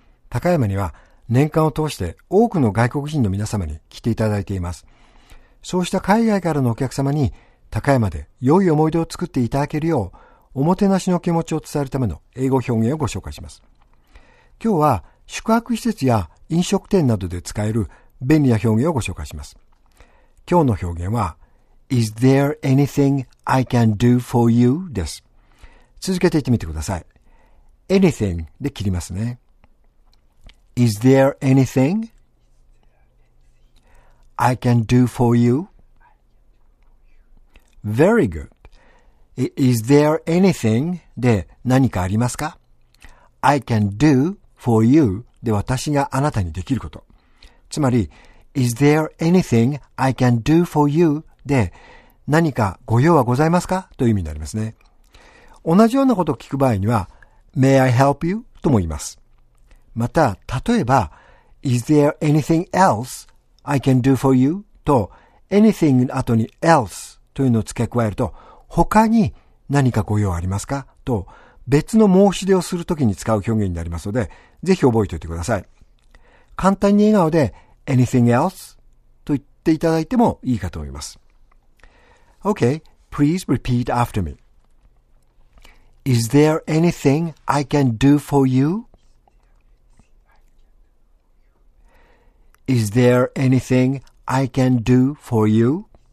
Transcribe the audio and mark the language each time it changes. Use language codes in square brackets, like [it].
[ja] 高山には年間を通して多くの外国人の皆様に来ていただいています。そうした海外からのお客様に高山で良い思い出を作っていただけるよう、おもてなしの気持ちを伝えるための英語表現をご紹介します。今日は宿泊施設や飲食店などで使える便利な表現をご紹介します。今日の表現は [en] Is there anything I can do for you? [ja] です。続けて言ってみてください。 Anything で切りますね。 [en] Is there anything I can do for you? Very good. Is there anything [ja] で何かありますか? [en] I can do for you [ja] で私があなたにできること。つまり、 [en] Is there anything I can do for you? [ja] で、何かご用はございますか?という意味になりますね。同じようなことを聞く場合には、 [en] May I help you? [ja] とも言います。 [en] また、例えば、Is there anything else I can do for you? [ja] と、anything の後に else というのを付け加えると、他に何かご用ありますか? と、別の申し出をするときに使う表現になりますので、ぜひ覚えておいてください。簡単に笑顔で、 [en] Anything else? [ja] と言っていただいてもいいかと思います。 [en] Okay, please repeat after me. Is there anything I can do for you? Is there anything I can do for you?